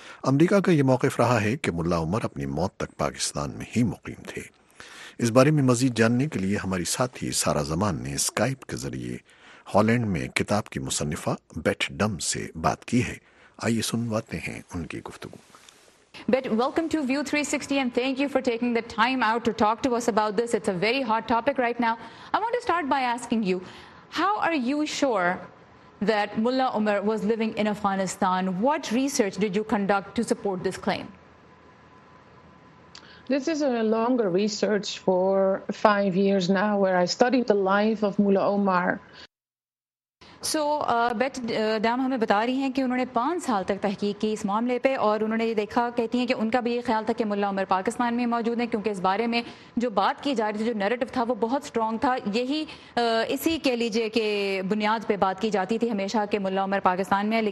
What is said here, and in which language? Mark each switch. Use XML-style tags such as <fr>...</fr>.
<ur>امریکہ کا یہ موقف رہا ہے کہ ملا عمر اپنی موت تک پاکستان میں ہی مقیم تھے۔ اس بارے میں مزید جاننے کے لیے ہماری ساتھی سارا زمان نے اسکائپ کے ذریعے ہالینڈ میں کتاب کی مصنفہ بیٹ ڈم سے بات کی ہے۔ آئیے سنواتے ہیں ان کی گفتگو۔</ur> <en>But welcome to View 360 and thank you for taking the time out to talk to us about this. It's a very hot topic right now. I want to start by asking you, how are you sure that Mullah Omar was living in Afghanistan? What research did you conduct to support this claim? This is a longer research for 5 years now where I studied the life of Mullah Omar.</en> <ur>So bat دام ہمیں بتا رہی ہیں کہ انہوں نے 5 سال تک تحقیق کی اس معاملے پہ, اور انہوں نے یہ دیکھا, کہتی ہیں کہ ان کا بھی یہ خیال تھا کہ ملا عمر پاکستان میں موجود ہیں, کیونکہ اس بارے میں جو بات کی جا رہی تھی, جو نیریٹو تھا وہ بہت اسٹرانگ تھا, یہی اسی کہہ لیجیے کہ بنیاد پہ بات کی جاتی تھی ہمیشہ کہ ملا عمر پاکستان میں ہے.</ur>